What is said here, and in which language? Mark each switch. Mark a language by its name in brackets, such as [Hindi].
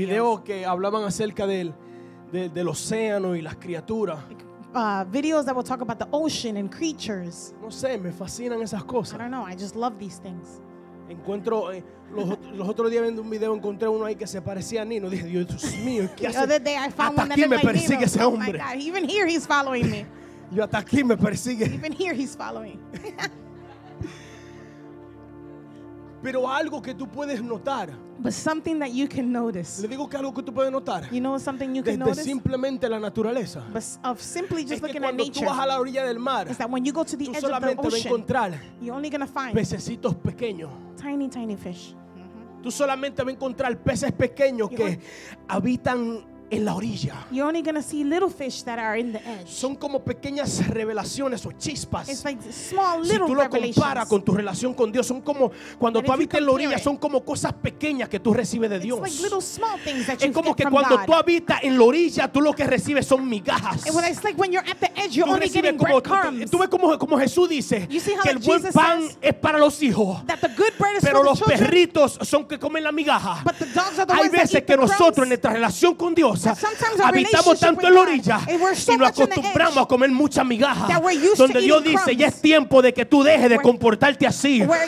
[Spanish] Videos que hablaban acerca del océano y las criaturas. [English] Videos that will talk about the ocean and creatures. [Spanish] No sé, me fascinan esas cosas. [English] I don't know, I just love these things. [Spanish] Encuentro los otros días viendo un video, encontré uno ahí que se parecía a Nino. Dije, Dios mío, ¿qué hace? [English] Other day I found [Spanish] hasta aquí me persigue [English] Nino. [Spanish] Ese hombre. [English] Oh my God, even here he's following me. [Spanish] Yo hasta aquí me persigue. [English] Even here he's following. [Spanish] Pero algo que tú puedes notar. [English] But something that you can notice. [Spanish] Le digo que algo que tú puedes notar. [English] You know something you can notice. [Spanish] Desde simplemente la naturaleza. [English] But of simply just [Spanish] es que [English] looking at nature. [Spanish] Es que cuando tú vas a la orilla del mar. [English] Is that when you go to the edge of the ocean. [Spanish] Tú solamente vas a encontrar. [English] You're only gonna find. [Spanish] Pececitos pequeños. [English] Tiny, tiny fish. [Spanish] Tú solamente vas a encontrar peces pequeños que habitan en la orilla. [English] You're only gonna see little fish that are in the edge. [Spanish] Son como pequeñas revelaciones o chispas. [English] It's like small little revelations. [Spanish] Si tú lo comparas con tu relación con Dios, son como cuando tú habitas en la orilla, son como cosas pequeñas que tú recibes de Dios. [English] It's like little small things that you get from God. [Spanish] Es como que cuando tú habitas en la orilla, tú lo que recibes son migajas. [English] And when it's like when you're at the edge, you're only getting breadcrumbs. [Spanish] Tú ves como Jesús dice que el buen pan es para los hijos, [English] that the good bread is for the children. [Spanish] Pero los perritos son que comen la migaja. [English] But the dogs are the [Spanish] Hay veces que nosotros en nuestra relación con Dios habitamos tanto en la orilla y nos acostumbramos a comer mucha migaja, donde Dios dice ya es tiempo de que tú dejes de comportarte así.